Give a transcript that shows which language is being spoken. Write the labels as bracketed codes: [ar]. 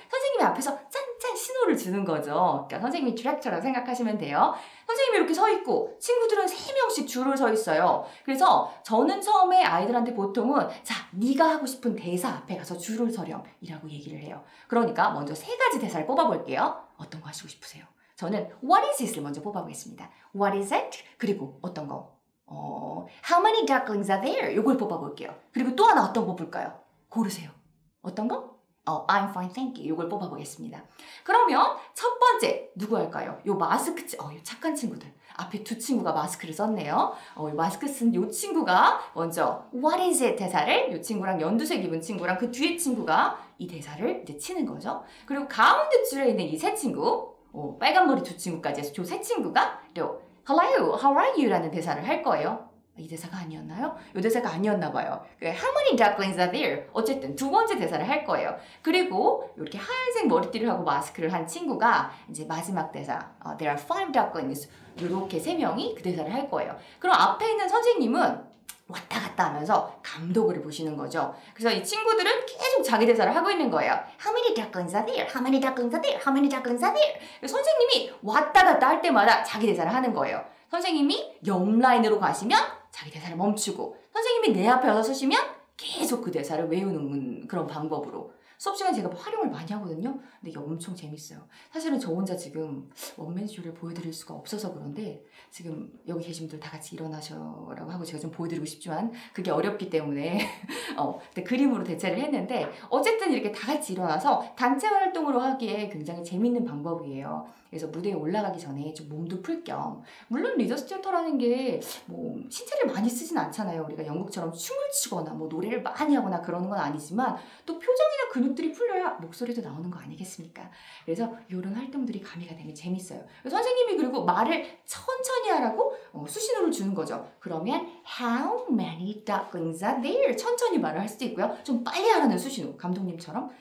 [ko] 선생님이 앞에서 짠짠 신호를 주는 거죠. 그러니까 선생님이 디렉터라고 생각하시면 돼요. 선생님이 이렇게 서 있고 친구들은 3명씩 줄을 서 있어요. 그래서 저는 처음에 아이들한테 보통은 자, 네가 하고 싶은 대사 앞에 가서 줄을 서렴 이라고 얘기를 해요. 그러니까 먼저 3가지 대사를 뽑아볼게요. 어떤 거 하시고 싶으세요? 저는 [en] What is it? [ko] 먼저 뽑아보겠습니다. [en] What is it? [ko] 그리고 어떤 거? [en] How many ducklings are there? [ko] 이걸 뽑아볼게요. 그리고 또 하나 어떤 거 뽑을까요? 고르세요. 어떤 거? [en] I'm fine, thank you. [ko] 이걸 뽑아보겠습니다. 그러면 첫 번째 누구 할까요? 요 마스크, 요 착한 친구들. 앞에 두 친구가 마스크를 썼네요. 이 마스크 쓴 요 친구가 먼저 [en] What is it? [ko] 대사를 요 친구랑 연두색 입은 친구랑 그 뒤에 친구가 이 대사를 이제 치는 거죠. 그리고 가운데 줄에 있는 이 세 친구 빨간 머리 두 친구까지 해서 저 세 친구가 요 [en] Hello, how are you? [ko] 라는 대사를 할 거예요. 이 대사가 아니었나요? 이 대사가 아니었나 봐요. [en] How many ducklings are there? [ko] 어쨌든 두 번째 대사를 할 거예요. 그리고 이렇게 하얀색 머리띠를 하고 마스크를 한 친구가 이제 마지막 대사 [en] There are five ducklings. [ko] 이렇게 세 명이 그 대사를 할 거예요. 그럼 앞에 있는 선생님은 왔다 갔다 하면서 감독을 보시는 거죠. 그래서 이 친구들은 계속 자기 대사를 하고 있는 거예요. [en] How many ducklings are there? How many ducklings are there? How many ducklings are there? [ko] 선생님이 왔다 갔다 할 때마다 자기 대사를 하는 거예요. 선생님이 옆 라인으로 가시면 자기 대사를 멈추고 선생님이 내 앞에 와서 서시면 계속 그 대사를 외우는 그런 방법으로 수업 시간에 제가 활용을 많이 하거든요. 근데 이게 엄청 재밌어요. 사실은 저 혼자 지금 원맨 쇼를 보여드릴 수가 없어서 그런데 지금 여기 계신 분들 다 같이 일어나셔라고 하고 제가 좀 보여드리고 싶지만 그게 어렵기 때문에 근데 그림으로 대체를 했는데 어쨌든 이렇게 다 같이 일어나서 단체 활동으로 하기에 굉장히 재밌는 방법이에요. 그래서 무대에 올라가기 전에 좀 몸도 풀 겸 물론 리더스튜터라는 게 뭐 신체를 많이 쓰진 않잖아요. 우리가 연극처럼 춤을 추거나 뭐 노래를 많이 하거나 그러는 건 아니지만 또 표정이나 근육들이 풀려야 목소리도 나오는 거 아니겠습니까? 그래서 이런 활동들이 가미가 되면 재밌어요. 선생님이 그리고 말을 천천히 하라고 수신호를 주는 거죠. 그러면 [en] How many ducklings are there? [ko] 천천히 말을 할 수도 있고요. 좀 빨리 하라는 수신호, 감독님처럼.